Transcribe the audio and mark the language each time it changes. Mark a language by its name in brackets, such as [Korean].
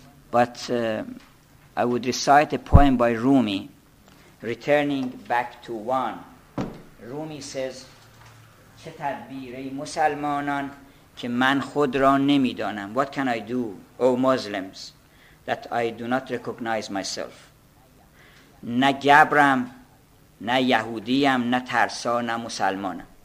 [English] But I would recite a poem by Rumi, Returning Back to One. [Persian] رومی [English] says [Persian] چه تدبیر ای مسلمانان که من خود را نمی دانم. [English] What can I do, O Muslims, that I do not recognize myself? [Persian] نه گبرم نه یهودیم نه ترسا نه مسلمانم.